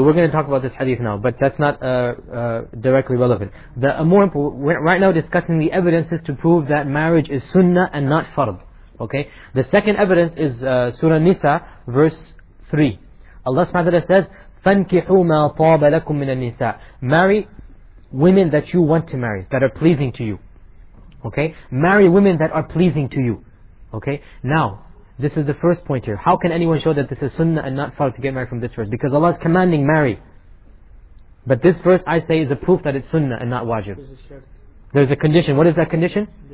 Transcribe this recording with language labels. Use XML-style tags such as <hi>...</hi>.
<en>We're going to talk about this hadith now, but that's not directly relevant. We're right now discussing the evidences to prove that marriage is sunnah and not fard. Okay? The second evidence is Surah Nisa, verse 3. Allah says,</en> <ar>فَانْكِحُوا مَا طَابَ لَكُم مِّنَ النِّسَاءِ.</ar> <en>Marry women that you want to marry, that are pleasing to you. Okay? Marry women that are pleasing to you. Okay? Now, this is the first point here. How can anyone show that this is sunnah and not fard to get married from this verse? Because Allah is commanding marry. But this verse, I say, is a proof that it's sunnah and not wajib. There's a condition. What is that condition?</en>